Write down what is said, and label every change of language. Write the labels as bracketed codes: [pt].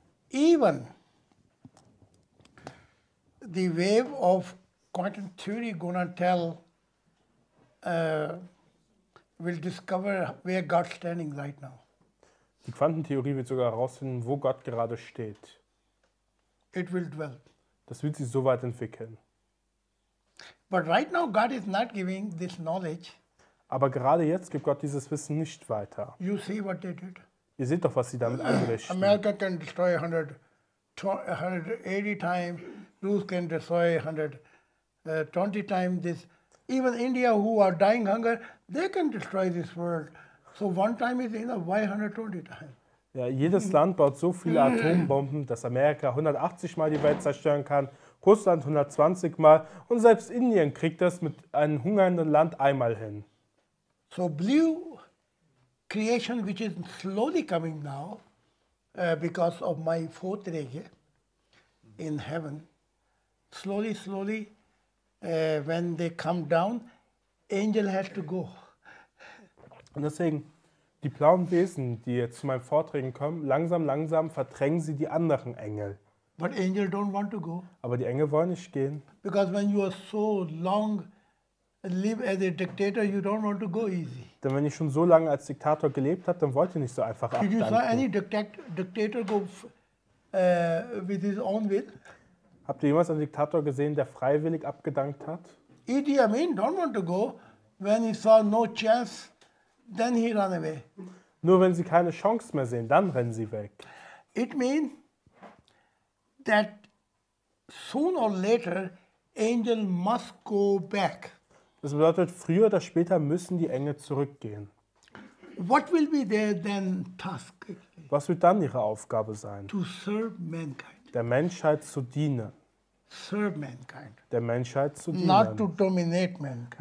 [en] Even the wave of quantum theory gonna tell will discover where God's standing right now. [de] Die Quantentheorie wird sogar herausfinden, wo Gott gerade steht. [en] It will dwell. [de] Das wird sich so weit entwickeln. [en] But right now God is not giving this knowledge. [de] Aber gerade jetzt gibt Gott dieses Wissen nicht weiter. [en] You see what they did. [de] Ihr seht doch, was sie damit anrichten. [en] America can destroy 180 times. Ruth can destroy 120 times. This even India, who are dying hunger, they can destroy this world. So one time is enough. Why 120 times? [de] Ja, jedes Land baut so viele Atombomben, dass Amerika 180 Mal die Welt zerstören kann, Russland 120 Mal und selbst Indien kriegt das mit einem hungernden Land einmal hin. [en] So blue creation, which is slowly coming now, because of my fourth rege in heaven, slowly, slowly, when they come down, angel has to go. [de] Und deswegen, die blauen Wesen, die jetzt zu meinen Vorträgen kommen, langsam, langsam verdrängen sie die anderen Engel. [en] But angel don't want to go. [de] Aber die Engel wollen nicht gehen. [en] Because when you are so long live as a dictator, you don't want to go easy. [de] Denn wenn ich schon so lange als Diktator gelebt habe, dann wollte ich nicht so einfach abdanken. [en] Did you see any dictator go with his own will? [de] Habt ihr jemals einen Diktator gesehen, der freiwillig abgedankt hat? [en] Idi Amin don't want to go. When he saw no chance, then he ran away. [de] Nur wenn sie keine Chance mehr sehen, dann rennen sie weg. [en] It means that sooner or later angel must go back. [de] Das bedeutet, früher oder später müssen die Engel zurückgehen. [en] What will be their then task? [de] Was wird dann ihre Aufgabe sein? [en] To serve mankind. [de] Der Menschheit zu dienen. [en] Serve mankind. [de] Der Menschheit zu dienen. [en] Not to dominate mankind.